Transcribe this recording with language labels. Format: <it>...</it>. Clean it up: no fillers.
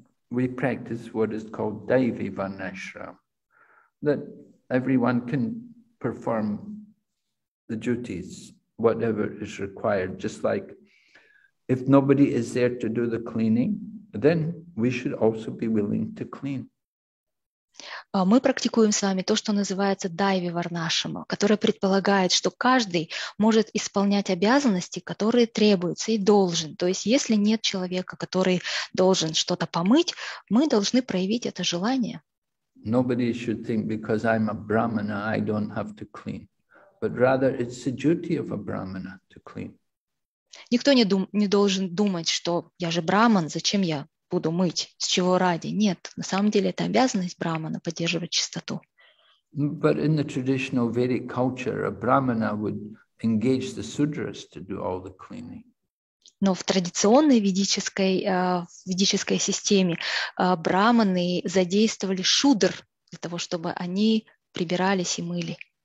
<en>We practice what is called Daivi Varnashram, that everyone can perform the duties, whatever is required. Just like if nobody is there to do the cleaning, then we should also be willing to clean.</en> <ru>Мы практикуем с вами то, что называется Дайви Варнашама, которое предполагает, что каждый может исполнять обязанности, которые требуются и должен. То есть если нет человека, который должен что-то помыть, мы должны проявить это желание.</ru> <en>Nobody should think because I'm a brahmana, I don't have to clean. But rather it's the duty of a brahmana to clean.</en> <ru>Никто не должен думать, что я же брахман, зачем я буду мыть, с чего ради. Нет, на самом деле это обязанность брахмана поддерживать чистоту.</ru> <en>But in the traditional Vedic culture, a brahmana would engage the sudras to do all the cleaning.</en> <ru>Но в традиционной ведической системе брахманы задействовали шудр для того, чтобы они прибирались и мыли.</ru>